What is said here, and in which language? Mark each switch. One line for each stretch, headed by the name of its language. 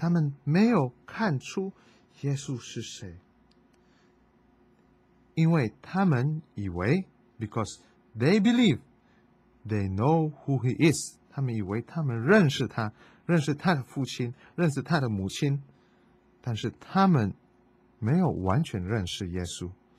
Chinese: 他们没有看出耶稣是谁。因为他们以为
English: because they believe they know who he is.
Chinese: 他们以为他们认识他认识他的父亲认识他的母亲但是他们没有完全认识耶稣。